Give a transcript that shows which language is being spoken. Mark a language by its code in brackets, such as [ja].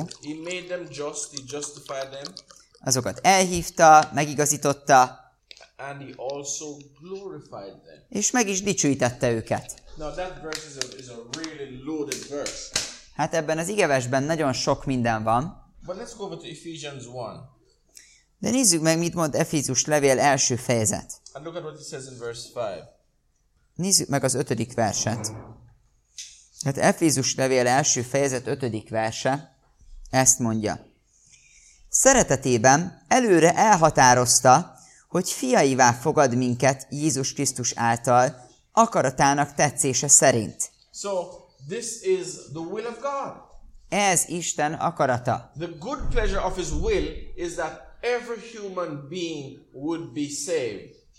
[en] he made them just, he justified them, [hu] azokat elhívta, megigazította, [en] and he also glorified them. [hu] És meg is dicsőítette őket. [en] Now that verse is a really loaded verse. [hu] Hát ebben az igeversben nagyon sok minden van. [en] But let's go over to Ephesians 1. [hu] De nézzük meg, mit mond Efézus levél első fejezet. [en] And look at what it says in verse 5. [hu] Nézzük meg az 5. verset. Hát Efézus levél első fejezet 5. verse ezt mondja. Szeretetében előre elhatározta, hogy fiaivá fogad minket Jézus Krisztus által, akaratának tetszése szerint. [en] So, this is the will of God. [hu] Ez Isten akarata. [en] The good pleasure of his will is that every human being would be saved.